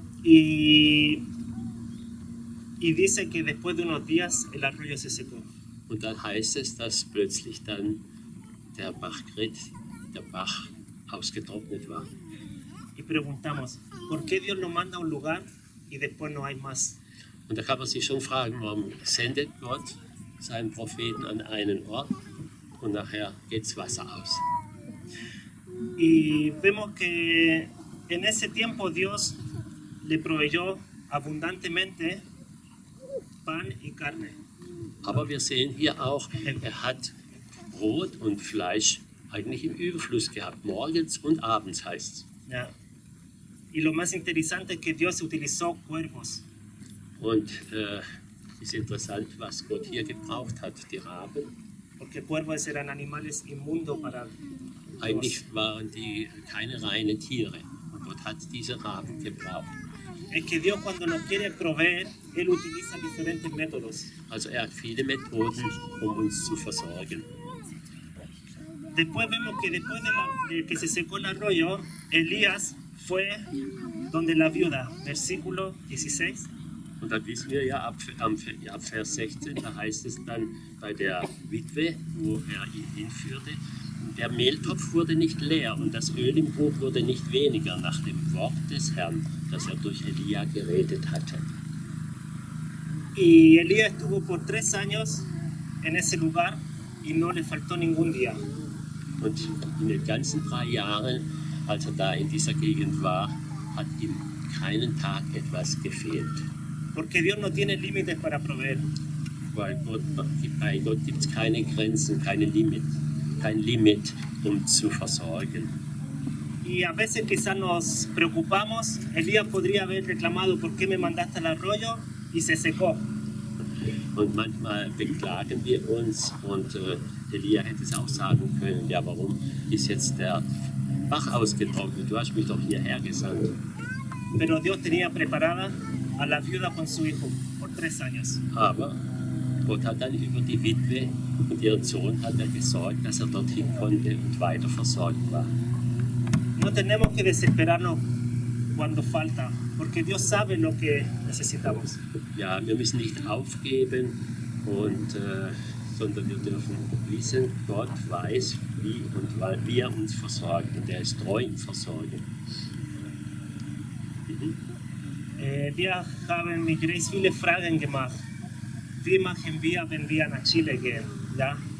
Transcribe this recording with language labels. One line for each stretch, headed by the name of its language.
Spanish: Y dice que después de unos días el arroyo se secó.
German: Und dann heißt es, dass plötzlich dann der Bach Kerit, der Bach, ausgetrocknet war.
Spanish: Y preguntamos, ¿por qué Dios lo manda a un lugar y después no hay más?
German: Und da kann man sich schon fragen, warum sendet Gott seinen Propheten an einen Ort und nachher geht's Wasser aus?
Spanish: Y vemos que en ese tiempo Dios le proveyó abundantemente pan y carne.
German: Aber wir sehen hier auch, er hat Brot und Fleisch eigentlich im Überfluss gehabt, morgens und abends, heißt es. Ja.
Spanish: Y lo más interesante es que Dios utilizó cuervos.
German: Und ist interessant, was Gott hier gebraucht hat, die Raben.
Spanish: Porque cuervos eran animales inmundo para Dios.
German: Eigentlich waren die keine reinen Tiere. Und Gott hat diese Raben gebraucht.
Spanish: Es que Dios cuando nos quiere proveer, Él utiliza diferentes métodos.
German: Also er hat viele Methoden, um uns zu versorgen.
Spanish: Después vemos que después de que se secó el arroyo, Elías fue donde la viuda, versículo 16.
German: Und dann wissen wir ja, ab Vers 16, da heißt es dann bei der Witwe, wo er ihn hinführte, der Mehltopf wurde nicht leer und das Öl im Krug wurde nicht weniger nach dem Wort des Herrn, das er durch Elia geredet hatte.
Spanish: Y Elia estuvo por 3 años en ese lugar y no le faltó ningún día.
German: Und in den ganzen 3 Jahren, als er da in dieser Gegend war, hat ihm keinen Tag etwas gefehlt.
Spanish: Porque Dios no tiene límites para proveer.
German: Weil bei Gott gibt es keine Grenzen, keine Limits. Kein Limit, um zu versorgen.
Spanish: Y a veces quizás nos preocupamos, Elías podría haber reclamado, ¿por qué me mandaste al arroyo? Y se secó.
German: Und manchmal beklagen wir uns und Elías hätte es auch sagen können, ja, warum ist jetzt der Bach ausgetrocknet? Du hast mich doch hierher gesandt.
Spanish: Pero Dios tenía preparada a la viuda con su hijo por 3 años.
German: Aber Gott hat dann über die Witwe und ihren Sohn hat er gesorgt, dass er dorthin konnte und weiter versorgt war.
Spanish: No tenemos que desesperarnos cuando falta, porque Dios sabe lo que necesitamos.
German: Ja, wir müssen nicht aufgeben, und, sondern wir dürfen wissen, Gott weiß, wie und weil wir uns versorgen, und er ist treu im Versorgen. Wir haben mit Grace viele Fragen gemacht. Wie machen wir, wenn wir nach Chile gehen? Ja?